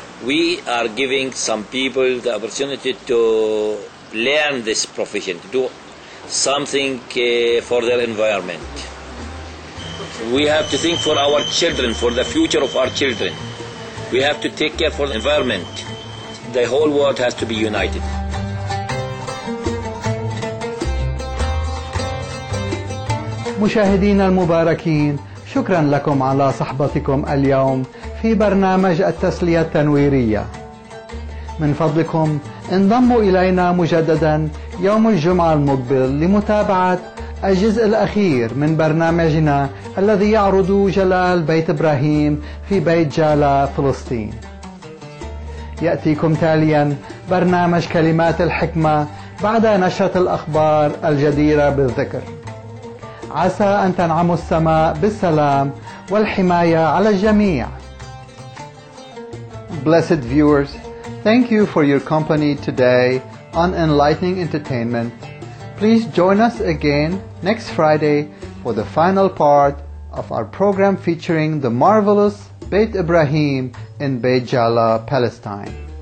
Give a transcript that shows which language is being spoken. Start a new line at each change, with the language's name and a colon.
English: We are giving some people the opportunity to learn this profession, to do something for their environment. We have to think for our children, for the future of our children. We have to take care for the environment. The whole world has to be united.
Arabic: مشاهدينا المباركين، شكرا لكم على صحبتكم اليوم في برنامج التسلية التنويرية. من فضلكم انضموا إلينا مجددا يوم الجمعة المقبل لمتابعة الجزء الأخير من برنامجنا الذي يعرض جلال بيت إبراهيم في بيت جالا فلسطين. يأتيكم تاليا برنامج كلمات الحكمة بعد نشرة الأخبار الجديرة بالذكر. عسى أن تنعموا السماء بالسلام والحماية على الجميع.
English: Blessed viewers, thank you for your company today on Enlightening Entertainment. Please join us again next Friday for the final part of our program featuring the marvelous Beit Ibrahim in Beit Jala, Palestine.